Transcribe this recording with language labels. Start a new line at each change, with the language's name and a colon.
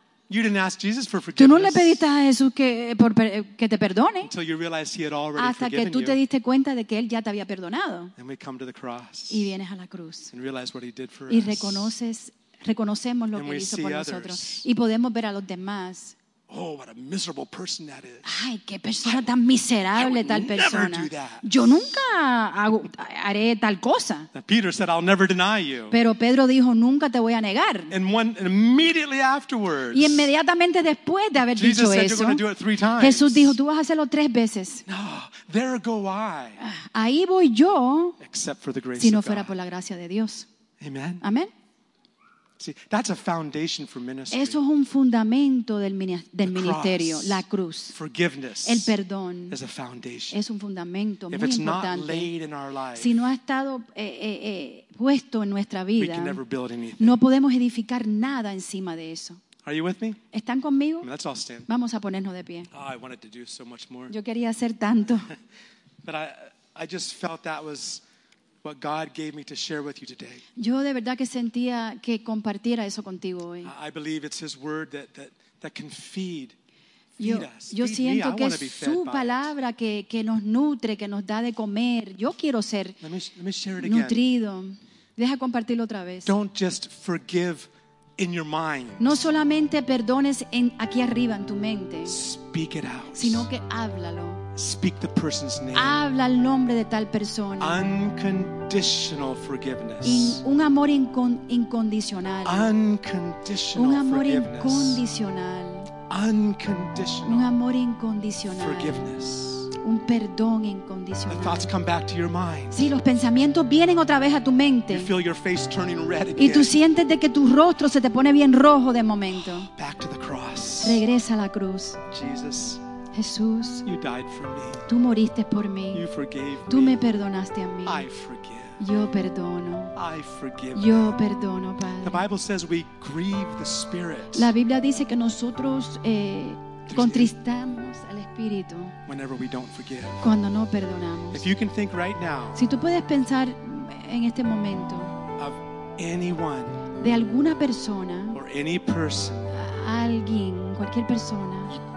English: You didn't ask Jesus for forgiveness.
Spanish: Tú no le pediste a Jesús que te perdone.
English: Until you realized he had already
Spanish: hasta
English: forgiven
Spanish: que tú
English: you.
Spanish: Te diste cuenta de que él ya te había perdonado.
English: And we come to the cross.
Spanish: Y vienes a la cruz.
English: And realize what he did for
Spanish: y
English: us.
Spanish: Reconoces reconocemos lo que hizo por nosotros y podemos ver a los demás.
English: Oh, what a miserable person that is.
Spanish: Ay, qué persona tan miserable tal persona.
English: I would never do that.
Spanish: Yo nunca haré tal cosa.
English: Peter said, I'll never deny you.
Spanish: Pero Pedro dijo, nunca te voy a negar.
English: And immediately afterwards,
Spanish: y inmediatamente después de haber
English: Jesus
Spanish: dicho
English: said,
Spanish: eso,
English: you're going to do it three times.
Spanish: Jesús dijo, tú vas a hacerlo tres veces.
English: No, there go I.
Spanish: Ahí voy yo,
English: except for the grace
Spanish: si no fuera
English: of God.
Spanish: Por la gracia de Dios.
English: Amen.
Spanish: Amén.
English: See, that's a foundation for ministry.
Spanish: Eso es un fundamento del ministerio,
English: cross,
Spanish: la cruz.
English: Forgiveness.
Spanish: El perdón.
English: Is a foundation.
Spanish: Es un fundamento
English: if
Spanish: muy
English: it's
Spanish: importante.
English: Not laid in our life,
Spanish: si no ha estado puesto en nuestra vida,
English: we can never build anything.
Spanish: No podemos edificar nada encima de eso.
English: Are you with me?
Spanish: ¿Están conmigo?
English: I mean, let's all stand.
Spanish: Vamos a ponernos de pie.
English: Oh, I wanted to do so much more.
Spanish: Yo quería hacer tanto.
English: But I just felt that was what God gave me to share with you today.
Spanish: Yo de verdad que sentía que compartiera eso contigo hoy.
English: I believe it's His word that can feed
Spanish: yo,
English: us.
Spanish: Yo
English: feed
Spanish: siento
English: me.
Spanish: Que
English: I
Spanish: es su palabra que nos nutre, que nos da de comer. Yo quiero ser
English: let me share it
Spanish: nutrido.
English: Again.
Spanish: Deja compartirlo otra vez.
English: Don't just forgive in your mind.
Spanish: No solamente perdones en aquí arriba en tu mente.
English: Speak it out.
Spanish: Sino que háblalo.
English: Speak the person's name.
Spanish: Habla el nombre de tal persona.
English: Unconditional forgiveness.
Spanish: Un amor incondicional.
English: Unconditional
Spanish: un amor incondicional.
English: Unconditional
Spanish: un amor incondicional.
English: Forgiveness.
Spanish: Un perdón incondicional.
English: The thoughts come back to your mind.
Spanish: Sí, los pensamientos vienen otra vez a tu mente.
English: You feel your face turning red again.
Spanish: Y tú sientes de que tu rostro se te pone bien rojo de momento.
English: Back to the cross.
Spanish: Regresa a la cruz.
English: Jesus.
Spanish: Jesús,
English: you died for me.
Spanish: Tú moriste por mí.
English: You forgave
Spanish: tú me perdonaste a mí.
English: I forgive.
Spanish: Yo perdono.
English: I forgive.
Spanish: Yo perdono, Padre.
English: The Bible says we grieve the Spirit.
Spanish: La Biblia dice que nosotros contristamos al Espíritu
English: whenever we don't forgive.
Spanish: Cuando no perdonamos.
English: If you can think right now,
Spanish: si tú puedes pensar en este momento
English: of anyone,
Spanish: de alguna persona
English: or any person,
Spanish: alguien, cualquier persona